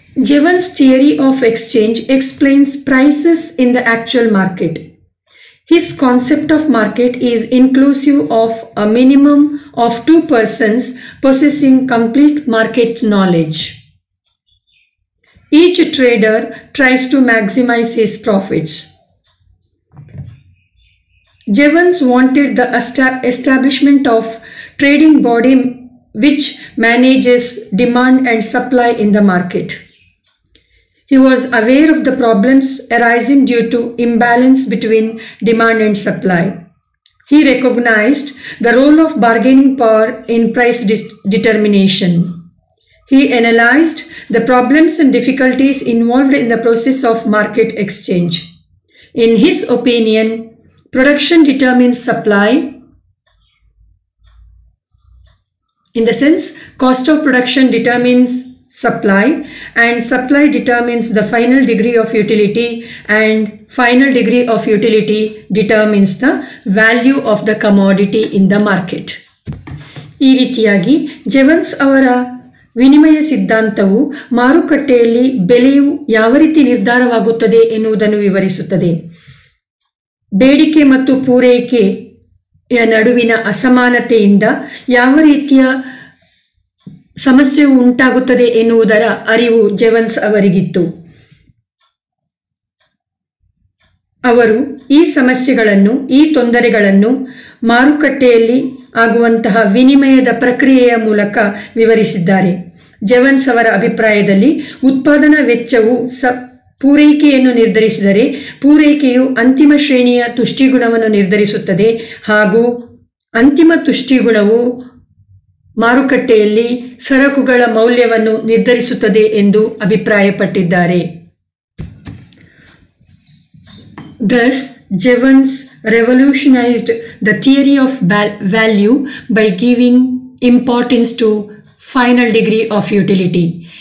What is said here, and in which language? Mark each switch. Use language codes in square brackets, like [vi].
[en] Jevons theory of exchange explains prices in the actual market. His concept of market is inclusive of a minimum of 2 persons possessing complete market knowledge. Each trader tries to maximize his profits. Jevons wanted the establishment of trading body which manages demand and supply in the market. He was aware of the problems arising due to imbalance between demand and supply. He recognized the role of bargaining power in price determination. He analyzed the problems and difficulties involved in the process of market exchange. In his opinion, production determines supply. In the sense, cost of production determines supply, and supply determines the final degree of utility, and final degree of utility determines the value of the commodity in the market. [kn] ಈ ರೀತಿಯಾಗಿ ಜೆವನ್ಸ್ ಅವರ ವಿನಿಮಯ ಸಿದ್ಧಾಂತವು ಮಾರುಕಟ್ಟೆಯಲ್ಲಿ ಬೆಲೆಯು ಯಾವ ರೀತಿ ನಿರ್ಧಾರವಾಗುತ್ತದೆ ಎನ್ನುವುದನ್ನು ವಿವರಿಸುತ್ತದೆ. ಬೇಡಿಕೆ ಮತ್ತು ಪೂರೈಕೆಯ ನಡುವಿನ ಅಸಮಾನತೆಯಿಂದ ಯಾವ ರೀತಿಯ ಸಮಸ್ಯೆ ಉಂಟಾಗುತ್ತದೆ ಎನ್ನುವುದರ ಅರಿವು ಜೆವನ್ಸ್ ಅವರಿಗಿತ್ತು. ಅವರು ಈ ಸಮಸ್ಯೆಗಳನ್ನು, ಈ ತೊಂದರೆಗಳನ್ನು ಮಾರುಕಟ್ಟೆಯಲ್ಲಿ ಆಗುವಂತಹ ವಿನಿಮಯದ ಪ್ರಕ್ರಿಯೆಯ ಮೂಲಕ ವಿವರಿಸಿದ್ದಾರೆ. ಜೆವನ್ಸ್ ಅವರ ಅಭಿಪ್ರಾಯದಲ್ಲಿ ಉತ್ಪಾದನಾ ವೆಚ್ಚವು ಪೂರೈಕೆಯನ್ನು ನಿರ್ಧರಿಸಿದರೆ, ಪೂರೈಕೆಯು ಅಂತಿಮ ಶ್ರೇಣಿಯ ತುಷ್ಟಿಗುಣವನ್ನು ನಿರ್ಧರಿಸುತ್ತದೆ, ಹಾಗೂ ಅಂತಿಮ ತುಷ್ಟಿಗುಣವು ಮಾರುಕಟ್ಟೆಯಲ್ಲಿ ಸರಕುಗಳ ಮೌಲ್ಯವನ್ನು ನಿರ್ಧರಿಸುತ್ತದೆ ಎಂದು ಅಭಿಪ್ರಾಯಪಟ್ಟಿದ್ದಾರೆ. [en] Thus, Jevons revolutionized the theory of value by giving importance to final degree of utility.